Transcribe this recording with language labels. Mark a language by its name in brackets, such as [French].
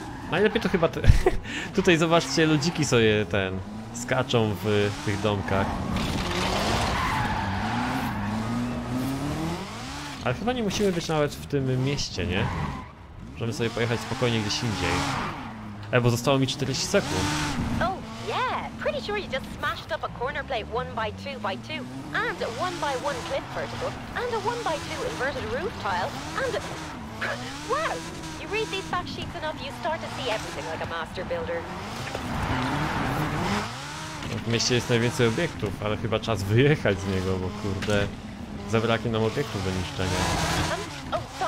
[Polish] Najlepiej to chyba... tutaj zobaczcie, ludziki sobie ten... skaczą w tych domkach. Ale chyba nie musimy być nawet w tym mieście, nie? Możemy sobie pojechać spokojnie gdzieś indziej. Bo zostało mi 40 sekund. [English] Oh yeah, pretty sure you just smashed up a corner plate 1x2x2 and a 1x1 cliff vertical and a 1x2 inverted roof tile and a... Wow! You read these fact sheets enough, you start to see everything like a master builder. [Polish] W mieście jest najwięcej obiektów, ale chyba czas wyjechać z niego, bo kurde, zabraknie nam obiektów do niszczenia.